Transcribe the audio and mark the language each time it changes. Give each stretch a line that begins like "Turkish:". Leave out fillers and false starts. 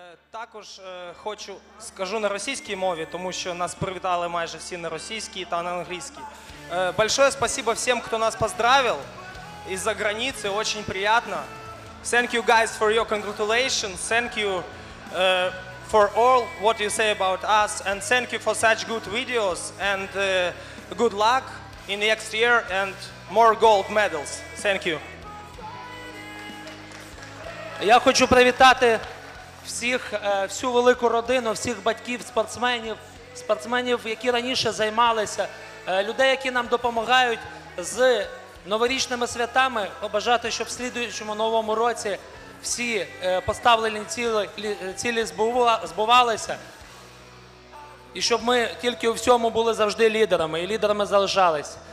Ukrainian: Також хочу, скажу на російській мові, тому що нас привітали майже всі на російській та на англійській.
Russian: Большое спасибо
Ukrainian: всім, хто нас поздравив із-за границы, дуже приємно.
English: Thank you guys for your congratulations, thank you for all what you say about us, and thank you for such good videos, and good luck in the next year, and more gold medals. Thank you.
Ukrainian: Я хочу привітати всіх, всю велику родину, всіх батьків, спортсменів, які раніше займалися, людей, які нам допомагають з новорічними святами, побажати, щоб в слідуючому новому році всі поставлені цілі збувалися, і щоб ми тільки у всьому були завжди лідерами, і лідерами залишались.